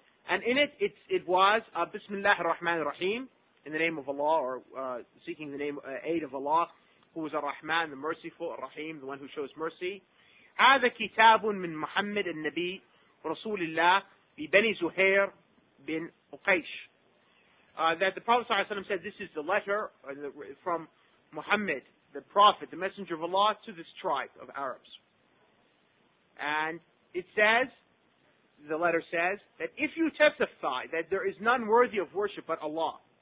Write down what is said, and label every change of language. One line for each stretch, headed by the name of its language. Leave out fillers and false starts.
English: And in it, it was, Bismillah ar-Rahman ar-Rahim, in the name of Allah, or seeking the name aid of Allah, who is ar-Rahman, the merciful, ar-Rahim, the one who shows mercy.
Arabic: هذا كتاب من محمد النبي رسول الله ببني زهير بن أقيش.
English: That the Prophet ﷺ said, this is the letter from Muhammad, the Prophet, the Messenger of Allah, to this tribe of Arabs. And it says, the letter says, that if you testify that there is none worthy of worship but Allah,